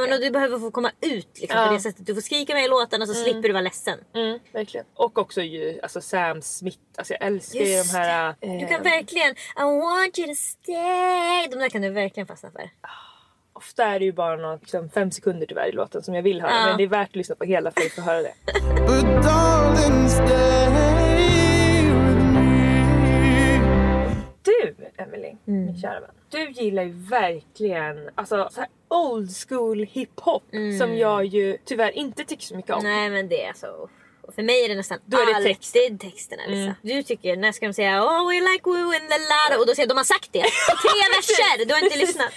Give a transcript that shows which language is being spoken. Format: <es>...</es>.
<sv>Ja, men du behöver få komma ut liksom, på det sättet, du får skrika med i låten och så slipper du vara ledsen. Mm, verkligen. Och också ju, alltså Sam Smith. Alltså jag älskar just de här Du kan verkligen,</sv> <en>I want you to stay.</en> <sv>De där kan du verkligen fastna för. Ofta är det ju bara något, liksom, 5 sekunder tyvärr i låten som jag vill höra. Men det är värt att lyssna på hela för att få höra det.</sv> <en>But darling, stay with me.</en> <sv>Du, Emily, min kära vän, du gillar ju verkligen, alltså så här old school hiphop som jag ju tyvärr inte tycker så mycket om. Nej, men det är så... För mig är det nästan är det alltid texterna. Du tycker, när ska de säga</sv> <en>oh we like we win the lotto,</en> <sv>och då säger de har sagt det tre verser, du har inte lyssnat.</sv>